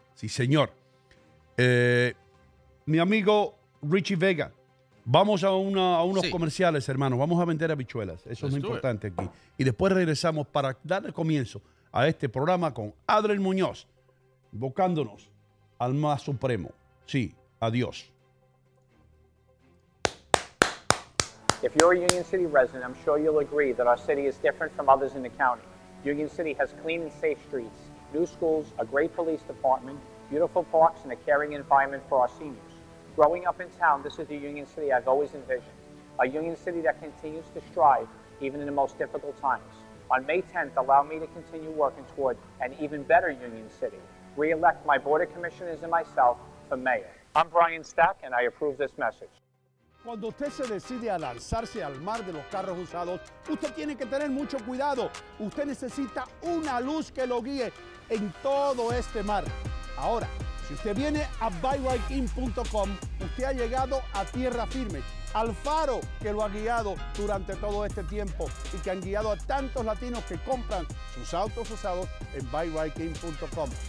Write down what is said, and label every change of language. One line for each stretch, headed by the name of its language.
Spanish: Sí, señor. Mi amigo Richie Vega, vamos a unos comerciales, hermano. Vamos a vender habichuelas. Eso es muy importante aquí. Y después regresamos para darle comienzo a este programa con Adriel Muñoz, invocándonos al más supremo. Sí, adiós.
English: If you're a Union City resident, I'm sure you'll agree that our city is different from others in the county. Union City has clean and safe streets, new schools, a great police department, beautiful parks, and a caring environment for our seniors. Growing up in town, this is the Union City I've always envisioned. A Union City that continues to strive, even in the most difficult times. On May 10th, allow me to continue working toward an even better Union City. Re-elect my board of commissioners and myself for mayor. I'm Brian Stack, and I approve this message.
Spanish: Cuando usted se decide a lanzarse al mar de los carros usados, usted tiene que tener mucho cuidado. Usted necesita una luz que lo guíe en todo este mar. Ahora, si usted viene a buywhiteim.com, usted ha llegado a tierra firme, al faro que lo ha guiado durante todo este tiempo y que han guiado a tantos latinos que compran sus autos usados en buywhiteim.com.